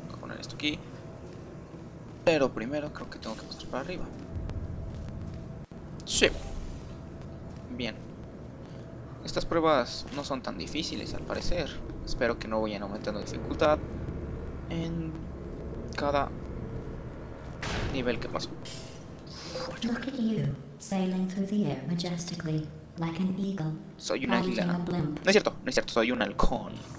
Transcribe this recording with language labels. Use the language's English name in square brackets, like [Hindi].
[Spanish] poner esto aquí, pero primero creo que tengo que pasar para arriba. Sí, bien. Estas pruebas no son tan difíciles al parecer. Espero que no vayan aumentando dificultad en cada nivel que paso. [English] Look at you sailing through the air majestically like an eagle. [Spanish] Soy un águila. No es cierto, no es cierto, soy un halcón.